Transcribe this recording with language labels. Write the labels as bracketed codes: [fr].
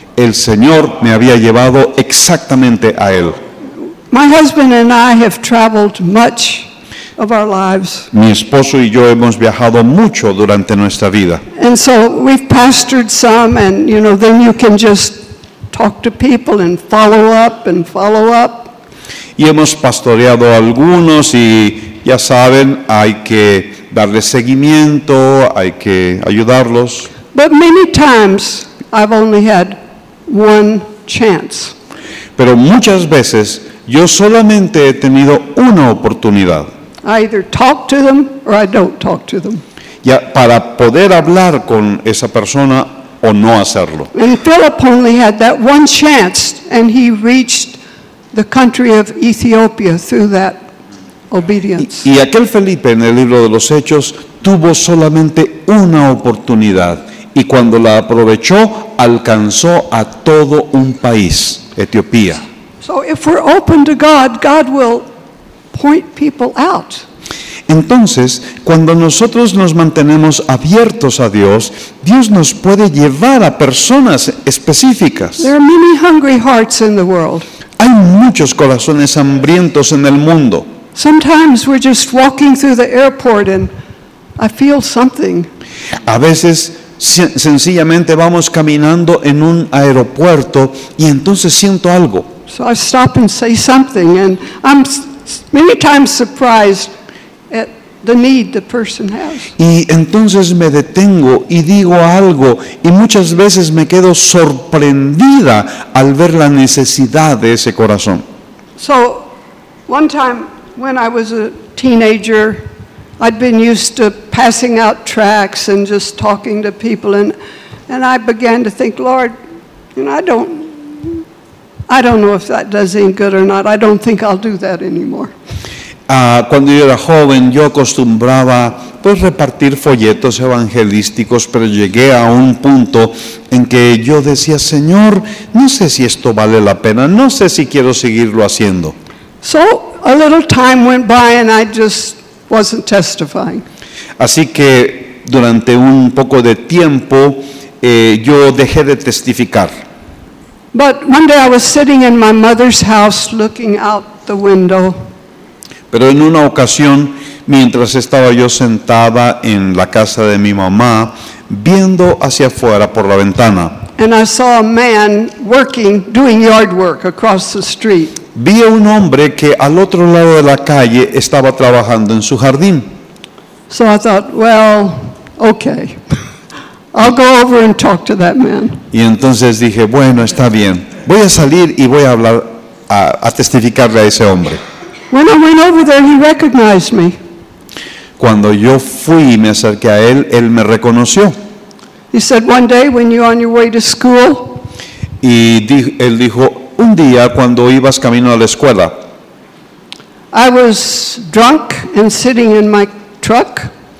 [es] El Señor me había llevado exactamente a él. [en] My husband and I have traveled much of our lives. [es] Mi esposo y yo hemos viajado mucho durante nuestra vida. [en] And so we've pastored some, and you know, then you can just talk to people and follow up and follow up. [es] Y hemos pastoreado algunos y ya saben, hay que darles seguimiento, hay que ayudarlos. [en] But many times I've only had one chance. [es] Pero muchas veces yo solamente he tenido una oportunidad. [en] I either talk to them or I don't talk to them. [es] Ya para poder hablar con esa persona o no hacerlo. [en] And Philip only had that one chance and he reached the country of Ethiopia through that obedience. [es] Y aquel Felipe en el libro de los Hechos tuvo solamente una oportunidad y cuando la aprovechó, alcanzó a todo un país, Etiopía. [en] So if we're open to God, God will point people out. [es] Entonces, cuando nosotros nos mantenemos abiertos a Dios, Dios nos puede llevar a personas específicas. [en] There are many hungry hearts in the world. [es] Hay muchos corazones hambrientos en el mundo. [en] Sometimes we're just walking through the airport and I feel something. [es] A veces sencillamente vamos caminando en un aeropuerto y entonces siento algo. [en] So I stop and say something and I'm many times surprised at the need the person has. [es] Y entonces me detengo y digo algo y muchas veces me quedo sorprendida al ver la necesidad de ese corazón. [en] So one time when I was a teenager, I'd been used to passing out tracts and just talking to people, and I began to think, Lord, you know, I don't know if that does any good or not. I don't think I'll do that anymore. [es] Cuando yo era joven, yo acostumbraba pues repartir folletos evangelísticos, pero llegué a un punto en que yo decía, Señor, no sé si esto vale la pena, no sé si quiero seguirlo haciendo. [en] So a little time went by, and I just wasn't testifying. [es] Así que durante un poco de tiempo yo dejé de testificar. [en] But one day I was sitting in my mother's house looking out the window. [es] Pero en una ocasión, mientras estaba yo sentada en la casa de mi mamá, viendo hacia afuera por la ventana. [en] And I saw a man working, doing yard work across the street. [es] Vi a un hombre que al otro lado de la calle estaba trabajando en su jardín. [en] So I thought, well, okay. I'll go over and talk to that man. [es] Y entonces dije, bueno, está bien. Voy a salir y voy a hablar, a testificarle a ese hombre. [en] When I went over there, he recognized me. [es] Cuando yo fui y me acerqué a él, él me reconoció. [en] He said, one day when you're on your way to school. [es] Y él dijo, un día cuando ibas camino a la escuela. [en] I was drunk and sitting in my truck.